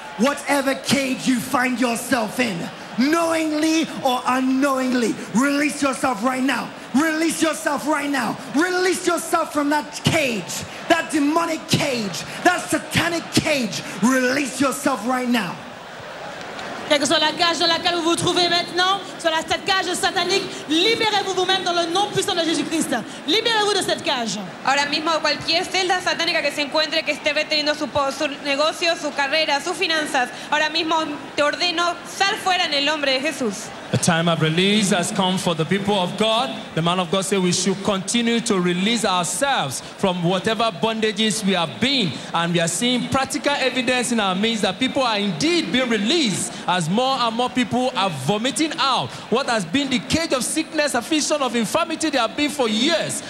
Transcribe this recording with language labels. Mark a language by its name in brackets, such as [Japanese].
[English] Whatever cage you find yourself in, knowingly or unknowingly, release yourself right now. Release yourself right now. Release yourself from that cage, that demonic cage, that satanic cage. Release yourself right now. [French] Quelle que soit la cage dans laquelle vous vous trouvez maintenant, soit cette cage satanique, libérez-vous vous-même dans le nom puissant de Jésus-Christ. Libérez-vous de cette cage. [Spanish] Ahora mismo, cualquier celda satánica que se encuentre, que esté reteniendo su negocio, su carrera, sus finanzas, ahora mismo te ordeno, sal fuera en el nombre de Jesús. [English] The time of release has come for the people of God. The man of God said we should continue to release ourselves from whatever bondages we have been. And we are seeing practical evidence in our midst that people are indeed being released as more and more people are vomiting out what has been the cage of sickness, affliction of infirmity they have been for years.